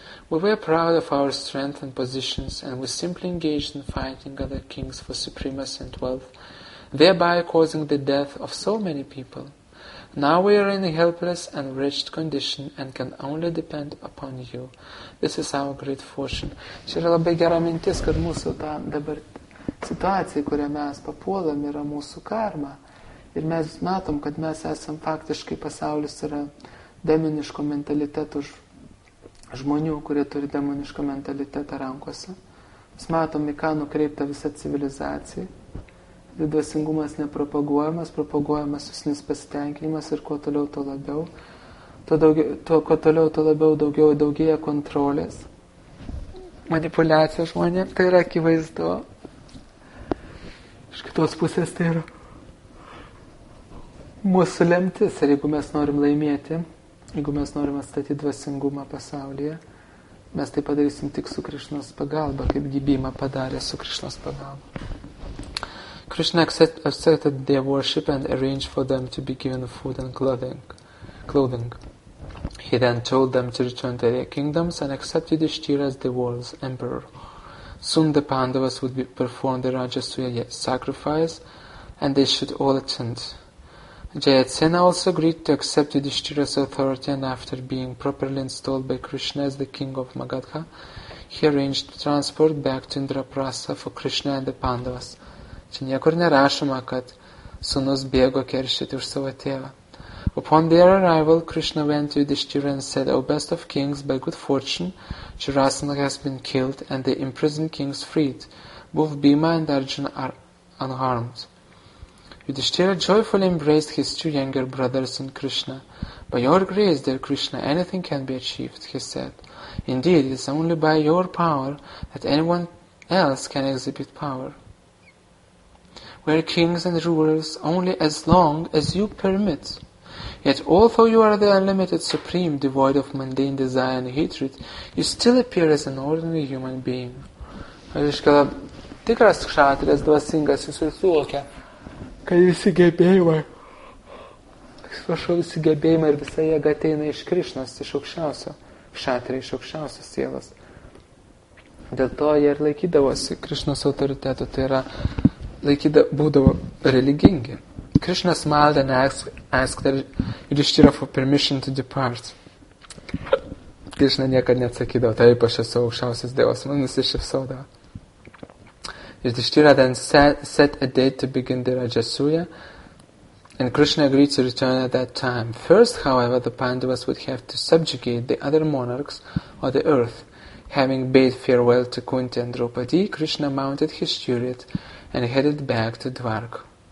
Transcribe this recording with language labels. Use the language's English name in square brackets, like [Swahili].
[English] We were proud of our strength and positions, and we simply engaged in fighting other kings for supremacy and wealth, thereby causing the death of so many people. Now we are in a helpless and wretched condition and can only depend upon you. This is our great fortune." [Lithuanian] Čia yra labai gera mintis, kad mūsų ta dabar situacija, kurią mes papuolam, yra mūsų karma. Ir mes matom, kad mes esam faktiškai, pasaulis yra demoniško mentaliteto žmonių, kurie turi demoniško mentalitetą rankose. Mes matom, į ką nukreipta visa civilizacija. Dvasingumas nepropaguojamas, propaguojamas visnis pasitenkinimas ir kuo toliau, tuo labiau. Kuo toliau, tuo labiau daugiau daugėja kontrolės. manipuliacija žmonėm, tai yra akivaizdu. Iš kitos pusės tai yra mūsų lemtis. Ir jeigu mes norim laimėti, jeigu mes norim atstatyti dvasingumą pasaulyje, mes tai padarysim tik su Krišnos pagalba, kaip gyvybę padarė su Krišnos pagalba. [English] Krishna accepted their worship and arranged for them to be given food and clothing. He then told them to return to their kingdoms and accept Yudhishthira as the world's emperor. Soon the Pandavas would perform the Rajasuya sacrifice and they should all attend. Jayatsena also agreed to accept Yudhishthira's authority, and after being properly installed by Krishna as the king of Magadha, he arranged transport back to Indraprastha for Krishna and the Pandavas. [Lithuanian] Čia niekur nerašoma, kad sūnus bėgo keršyti už savo tėvą. [English] Upon their arrival, Krishna went to Yudhishthira and said, O best of kings, by good fortune, Jarasandha has been killed and the imprisoned kings freed. Both Bhima and Arjuna are unharmed. Yudhishthira joyfully embraced his two younger brothers and Krishna. By your grace, dear Krishna, anything can be achieved, he said. Indeed, it is only by your power that anyone else can exhibit power. We are kings and rulers only as long as you permit. Yet although you are the unlimited supreme, devoid of mundane desire and hatred, you still appear as an ordinary human being. [Lithuanian] Reiškia, tikras kšatrijas dvasingas jis ir suvokia, kad visi gebėjimai ir visa jėga ateina iš Krišnos, iš aukščiausio kšatrijai, iš aukščiausios sielos. Dėl to jie ir laikydavosi Krišnos autoriteto, tai yra būdavo religingi. [English] Krishna smiled and asked Yudhishthira for permission to depart. [Lithuanian] Krishna niekad neatsakydavo, taip aš esu aukščiausias dievas, man nusišypsodavo. [English] Yudhishthira then set a date to begin the Rajasuya, and Krishna agreed to return at that time. First, however, the Pandavas would have to subjugate the other monarchs of the earth. Having bade farewell to Kunti and Draupadi, Krishna mounted his chariot and headed back to Dwarka.